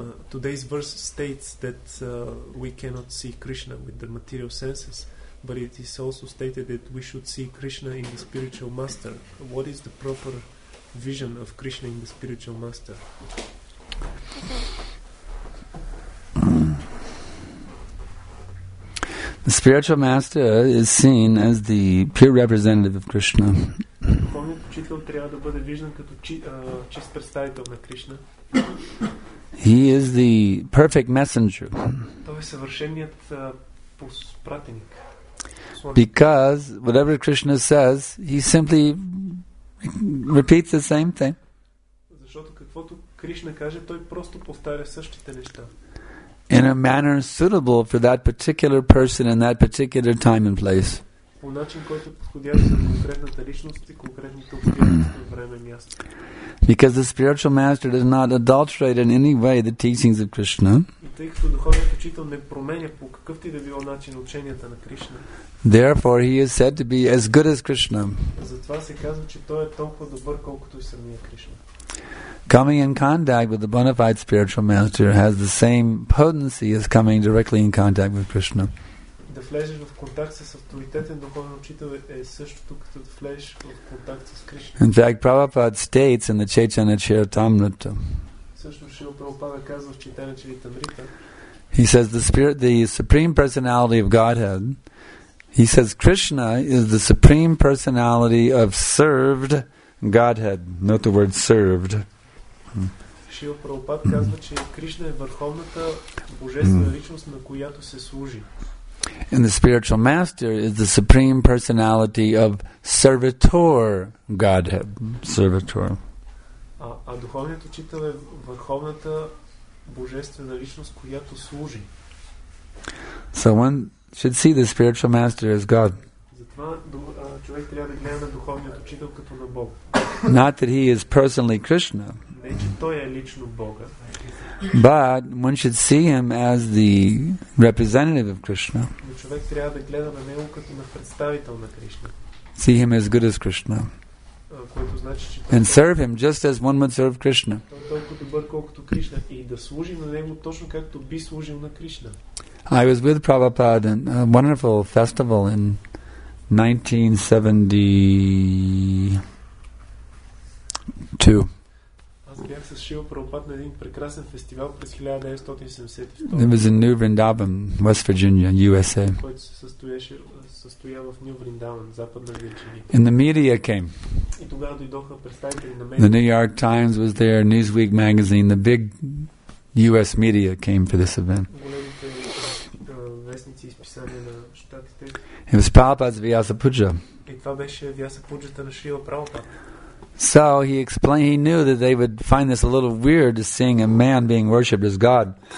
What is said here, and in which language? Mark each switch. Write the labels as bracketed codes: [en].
[en] Today's verse states that we cannot see Krishna with the material senses, but it is also stated that we should see Krishna in the spiritual master. What is the proper vision of Krishna in the spiritual master? The spiritual master is seen as the pure representative of Krishna. [bg] Духовният учител трябва да бъде виждан като чист представител на Кришна. [en] He is the perfect messenger. [bg] Той е съвършеният пратеник. [en] Because whatever Krishna says, he simply repeats the same thing. [bg] Защото каквото Кришна каже, той просто повтаря същите неща. [en] In a manner suitable for that particular person in that particular time and place. [bg] По начин, който подходящ за конкретната личност и конкретните обстоятелства и време и място. [en] Because the spiritual master does not adulterate in any way the teachings of Krishna. [bg] И тъй като духовният учител не променя по какъвто и да било начин ученията на Кришна. [en] Therefore he is said to be as good as Krishna. [bg] Затова се казва, че той е толкова добър, колкото и самия Кришна. [en] Coming in contact with the bona fide spiritual master has the same potency as coming directly in contact with Krishna. [bg] Да влезеш в контакт с авторитетен духовен учител е същото като да влезеш в контакт с Кришна. [en] In fact, Prabhupada states in the Chaitanya Charitamrita. [bg] Също Шрила Прабхупада казва в Чайтанья Чаритамрита. [en] He says the supreme personality of Godhead. He says Krishna is the supreme personality of served Godhead. Note the word served. [bg] Шрила Прабхупада казва, че Кришна е върховната божествена личност, на която се служи. [en] And the spiritual master is the supreme personality of servitor Godhead. Servitor. [bg] А духовният учител е върховната божествена личност, която служи. [en] So one should see the spiritual master as God. [bg] Затова човек трябва да гледа на духовният учител като на Бог. [en] Not that he is personally Krishna. [bg] Не, че той е лично Бога. [en] But one should see him as the representative of Krishna. [bg] Човек трябва да гледа на него като на представител на Кришна. [en] See him as good as Krishna. [bg] Което значи, че [en] and serve him just as one would serve Krishna. [bg] Толкова добър, колкото Кришна, и да служи на него точно както би служил на Кришна. [en] I was with Prabhupada in a wonderful festival in 1972. [bg] Бях с Шрила Прабхупад на един прекрасен фестивал през [en] 1972. It was in New Vrindavan, West Virginia, USA. [bg] Който се състоя в Ню Вриндаван, Западна Вирджиния. [en] And the media came. [bg] И тогава дойдоха представители на медиите. [en] The New York Times was there, Newsweek magazine, the big US media came for this event. [bg] Големите вестници и списания на щатите. [en] It was Prabhupada's Vyasa Puja. [bg] И това беше Вяса Пуджата на Шрила Прабхупад. [en] So he explained, he knew that they would find this a little weird to seeing a man being worshipped as God.